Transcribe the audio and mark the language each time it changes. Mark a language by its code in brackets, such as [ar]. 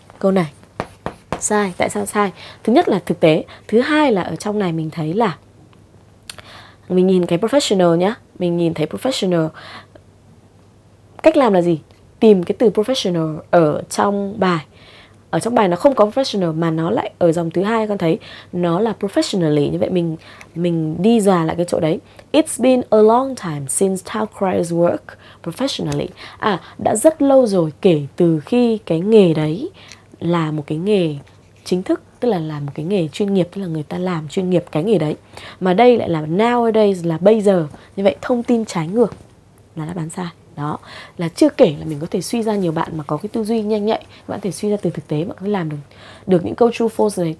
[vi] Câu này sai, tại sao sai? Thứ nhất là thực tế, thứ hai là ở trong này mình thấy là mình nhìn cái professional nhá, mình nhìn thấy professional. Cách làm là gì? Tìm cái từ professional ở trong bài. Ở trong bài nó không có professional mà nó lại ở dòng thứ hai, con thấy nó là professionally. Như vậy mình đi dò lại cái chỗ đấy. [en] It's been a long time since town criers work professionally. [vi] Đã rất lâu rồi kể từ khi cái nghề đấy là một cái nghề chính thức, tức là làm một cái nghề chuyên nghiệp, tức là người ta làm chuyên nghiệp cái nghề đấy. Mà đây lại là nowadays, là bây giờ. Như vậy thông tin trái ngược là đáp án sai. Đó, là chưa kể là mình có thể suy ra, nhiều bạn mà có cái tư duy nhanh nhạy, bạn có thể suy ra từ thực tế, bạn có thể làm được những câu true false này.